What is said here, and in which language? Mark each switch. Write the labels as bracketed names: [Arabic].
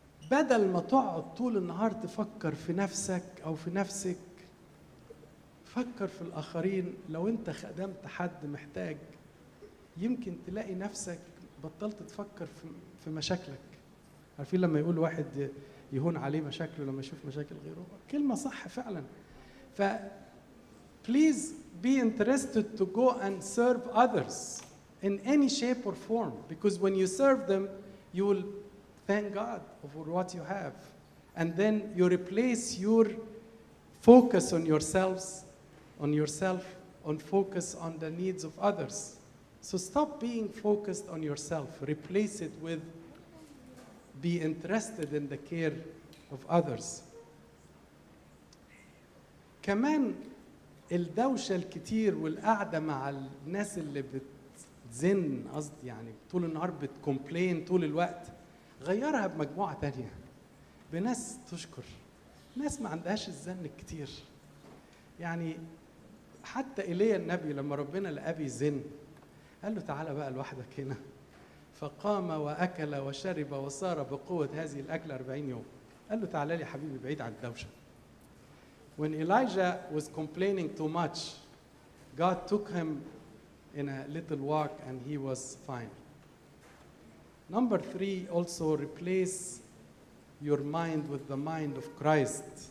[Arabic] بدل ما تقعد طول النهار تفكر في نفسك او في نفسك، فكر في الاخرين. لو انت خدمت حد محتاج يمكن تلاقي نفسك بطلت تفكر في مشاكلك. عارفين لما يقول واحد يهون عليه مشاكله لما يشوف مشاكل غيره؟ كلمة صح فعلا. [English] ف please be interested to go and serve others in any shape or form, because when you serve them you will thank God for what you have, and then you replace your focus on yourselves, on yourself, on focus on the needs of others. So stop being focused on yourself. Replace it with be interested in the care of others. [Arabic] كمان الدوشة الكتير والقعدة مع الناس اللي بتزن قصدي يعني طول النهار بتكومبلين طول الوقت غيرها بمجموعة تانية بناس تشكر. ناس ما عندهاش الزن كتير. يعني حتى إليه النبي لما ربنا لأبي زن قال له تعالى بقى لوحدك هنا، فقام وأكل وشرب وصار بقوة هذه الأكلة 40 يوم. قال له تعالى لي حبيبي بعيد عن الدوشة. [English] When Elijah was complaining too much, God took him in a little walk and he was fine. Number three, also replace your mind with the mind of Christ.